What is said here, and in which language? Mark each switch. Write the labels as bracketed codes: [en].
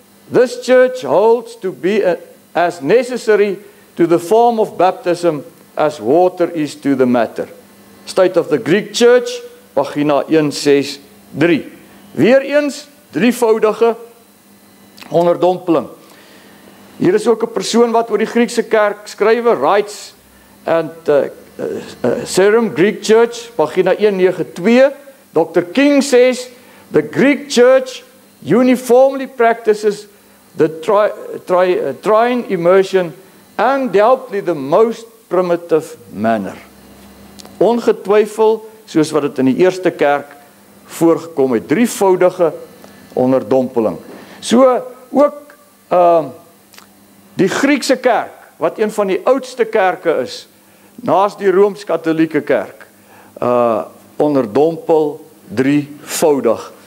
[en] This church holds to be as necessary to the form of baptism as water is to the matter. State of the Greek Church, pagina 163. [af] Weer eens, drievoudige onderdompeling. Hier is ook 'n persoon wat oor die Griekse kerk skrywe, [en] writes and Serum Greek Church, [af] pagina 192. Dr. [en] King says, the Greek Church uniformly practices the trine immersion undoubtedly the most primitive manner. [af] Ongetwyfeld, soos wat dit in die eerste kerk voorgekom het, drievoudige onderdompeling. So, ook die Griekse kerk, wat een van die oudste kerke is, naast die Rooms-Katolieke kerk, onderdompel drievoudig.